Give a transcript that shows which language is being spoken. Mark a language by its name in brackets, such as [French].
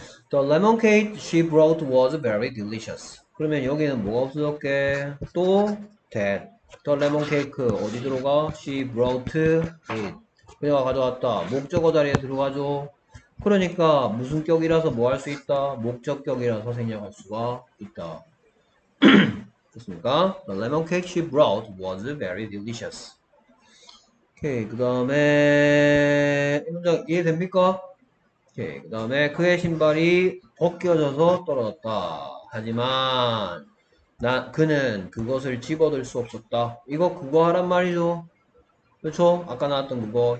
[English] The lemon cake she brought was very delicious. [Korean] 그러면 여기는 뭐가 없어졌게? [English] 또 that. The lemon cake [Korean] 어디 들어가? [English] She brought it. [Korean] 그녀가 가져왔다. 목적어 자리에 들어가죠. 그러니까 무슨격이라서 뭐할수 있다? 목적격이라서 생략할 수가 있다. 좋습니까? [English] The lemon cake she brought was very delicious. [Korean] 오케이, 그 다음에 이 문장 이해됩니까? 오케이, 그 다음에 그의 신발이 벗겨져서 떨어졌다. 하지만 그는 그것을 집어들 수 없었다. 이거 그거 하란 말이죠. 그렇죠? 아까 나왔던 그거.